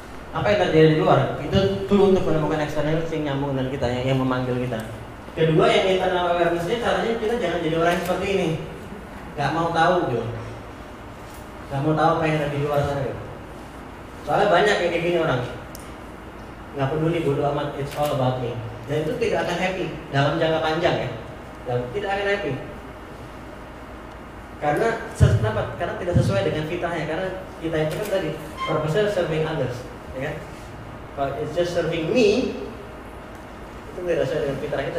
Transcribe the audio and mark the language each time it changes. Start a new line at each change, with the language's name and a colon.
Indonesian: Apa yang terjadi di luar? Itu tool untuk menemukan externally yang nyambung dengan kita, yang memanggil kita. Kedua, yang internal awareness-nya caranya kita jangan jadi orang seperti ini. Gak mau tahu gitu. Gak mau tahu apa yang terjadi di luar sana gitu. Soalnya banyak yang kayak gini orang. Gak peduli, bodo amat,
English: it's all about me.
Indonesian: Dan itu tidak akan happy dalam jangka panjang ya. Tidak akan happy. Karena kenapa? Karena tidak sesuai dengan fitrahnya. Karena kita itu kan tadi purpose-nya
English: serving others,
Indonesian: ya kan?
English: But it's just serving me.
Indonesian: Itu tidak sesuai dengan fitrah kita.